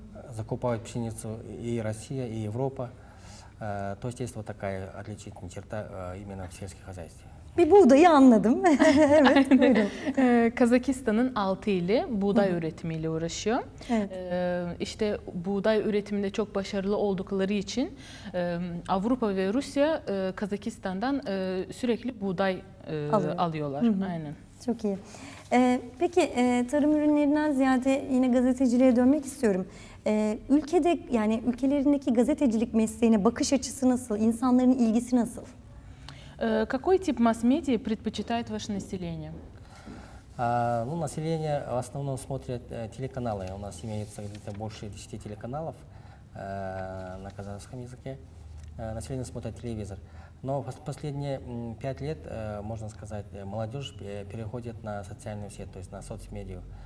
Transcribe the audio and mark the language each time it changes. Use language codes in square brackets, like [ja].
[ru] Закупают пшеницу и Россия, и Европа. То есть есть вот такая отличительная черта именно в сельском хозяйстве. [tr] Bir buğdayı anladım. Evet, Kazakistan'ın 6 ili buğday üretimiyle uğraşıyor. Evet. İşte buğday üretiminde çok başarılı oldukları için Avrupa ve Rusya Kazakistan'dan sürekli buğday alıyorlar. Aynen. Çok iyi. Peki tarım ürünlerinden ziyade yine gazeteciliğe dönmek istiyorum. Ülkede yani ülkelerindeki gazetecilik mesleğine bakış açısı nasıl? İnsanların ilgisi nasıl? [ru] Какой тип масс-медиа предпочитает ваше население? Ну, население в основном смотрит телеканалы. У нас имеется где-то больше 10 телеканалов на казахском языке. Население смотрит телевизор. Но последние 5 лет, можно сказать, молодежь переходит на социальную сеть, то есть на соцмедию.